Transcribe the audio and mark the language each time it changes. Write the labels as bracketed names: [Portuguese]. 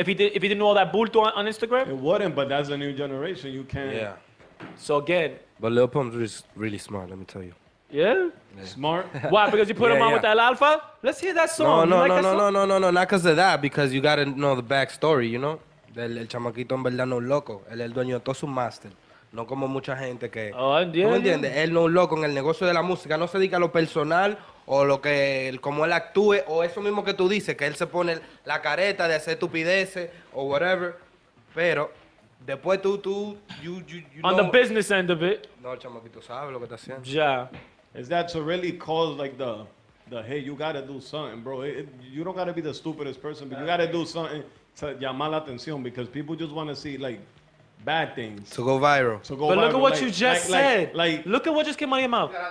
[English] If he didn't know all that bulto on Instagram? It wouldn't, but that's a new generation. You can't. Yeah. So again. But Lil Pump is really smart, let me tell you. Yeah? Smart? Why? Because you put him on with El Alfa? Let's hear that song. No, not because of that, because you got to know the backstory, you know? [Spanish] El chamaquito en verdad no es loco. Él es el dueño de todo su master. No como mucha gente que. [English] Oh, yeah. [Spanish] ¿Me entiendes? Él no es loco en el negocio de la música. No se dedica a lo personal. O lo que, como él actúe, o eso mismo que tú dices, que él se pone la careta de hacer estupideces, o whatever. Pero, después tú, [English] on the business end of it. [Spanish] No, el chamaquito sabe lo que está haciendo. [English] Yeah. Is that to really cause, like, the hey, you gotta do something, bro. You don't gotta be the stupidest person, but you gotta do something to [Spanish] llamar la atención, [English] because people just wanna see, like, bad things. To go viral. To go but viral. Look at what you just said. Like, look at what just came out of your mouth.